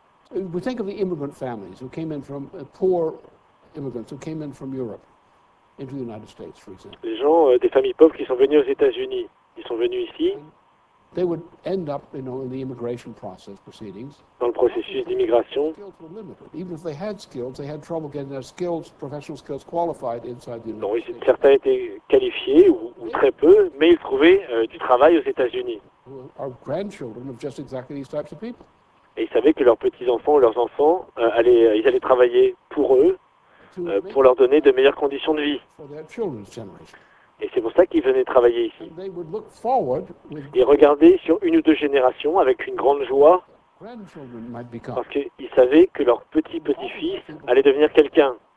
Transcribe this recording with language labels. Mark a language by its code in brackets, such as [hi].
[en] We think of the immigrant families who came in from poor immigrants who came in from Europe into the United States, for example. [fr] Les gens des familles pauvres qui sont venus aux États-Unis, ils sont venus ici. [en] They would end up, you know, in the immigration process proceedings. [fr] Dans le processus d'immigration. [en] Even if they had skills, they had trouble getting their skills, professional skills, qualified inside the United States. [fr] Non, certains étaient qualifiés ou très peu, mais ils trouvaient du travail aux États-Unis. [en] Our grandchildren of just exactly these types of people. [fr] Et ils savaient que leurs petits-enfants ou leurs enfants allaient travailler pour eux, pour leur donner de meilleures conditions de vie. [en] For their children's generation. [fr] Et c'est pour ça qu'ils venaient travailler ici. Ils regardaient sur une ou deux générations avec une grande joie parce qu'ils savaient que leur petit-petit-fils allait devenir quelqu'un.